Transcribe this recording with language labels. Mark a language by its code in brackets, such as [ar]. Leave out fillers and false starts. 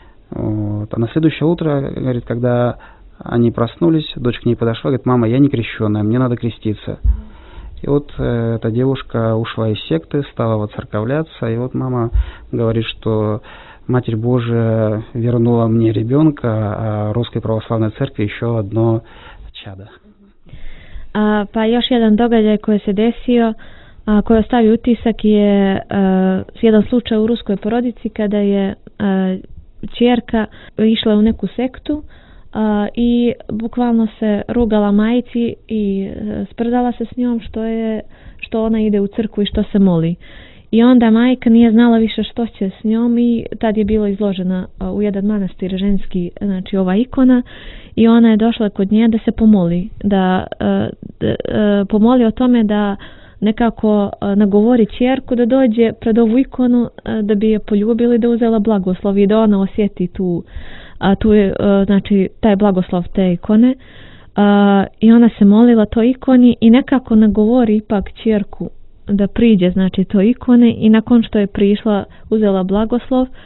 [ru] Вот. А на следующее утро, говорит, когда они проснулись, дочь к ней подошла, говорит: «Мама, я не крещенная, мне надо креститься». И вот эта девушка ушла из секты, стала воцерковляться, и вот мама говорит, что Матерь Божия вернула мне ребенка, а Русской Православной Церкви еще одно чадо. [sr] Па још један догађај који се десио, који остави утисак, је један случај у руској породици, када је ћерка ишла у неку секту, и буквально се ругала мајци и спрдала се с њом што она иде у цркву и што се моли. И онда мајка није знала више што ће с њом и тад је била изложена у један манастир женски, значи ова икона, и она је дошла код ње да се помоли, да помоли о томе да некако наговори ћерку да дође пред ову икону да би је полјубила и да узела благослов и да она осјети ту a tu je, znači, taj blagoslov te ikone, i ona se molila toj ikoni i nekako nagovori ipak ćerku da priđe, znači, toj ikone, i nakon što je prišla, uzela blagoslov.